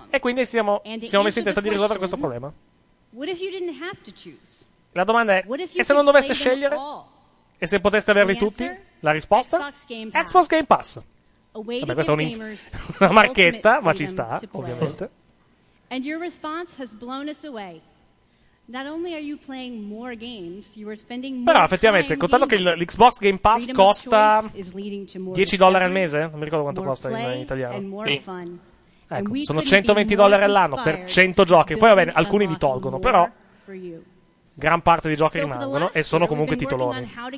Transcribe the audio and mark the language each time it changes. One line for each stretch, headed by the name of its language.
Italian: E quindi siamo messi in testa di risolvere questo problema. La domanda è, e se non doveste scegliere? E se poteste averli tutti? La risposta? Xbox Game Pass. Vabbè, questa è una marchetta, ma ci sta, ovviamente.
English: And your response has blown us away. Not only are you playing more games, you are spending more.
Italian: Però effettivamente, contando che l'Xbox Game Pass costa $10 al mese, non mi ricordo quanto costa in italiano. Ecco, sono $120 all'anno per 100 giochi. Poi va bene, alcuni li tolgono, però gran parte dei giochi rimangono e sono comunque titoloni.